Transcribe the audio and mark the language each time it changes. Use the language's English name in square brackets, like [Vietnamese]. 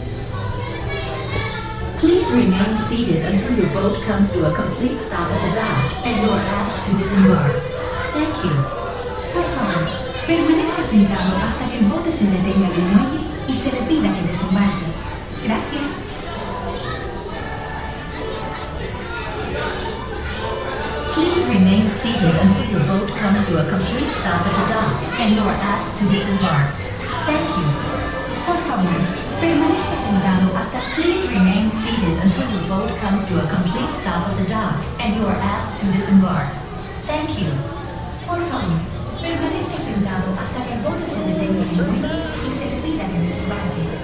[English] Please remain seated until your boat comes to a complete stop at the dock and you are asked to disembark. Thank you. [Spanish] Por favor, permanezca sentado hasta que el bote se detenga en el muelle y se le pida que desembarque. Gracias. [English] Please remain seated until your boat comes to a complete stop at the dock and you are asked to disembark. Thank you. [Spanish] Por favor, permanezca sentado hasta... [English] Please remain seated until your boat comes to a complete stop at the dock and you are asked to disembark. Thank you. [Spanish] Por favor, permanezca sentado hasta que el bote se detenga en el muelle y se le pida que desembarque.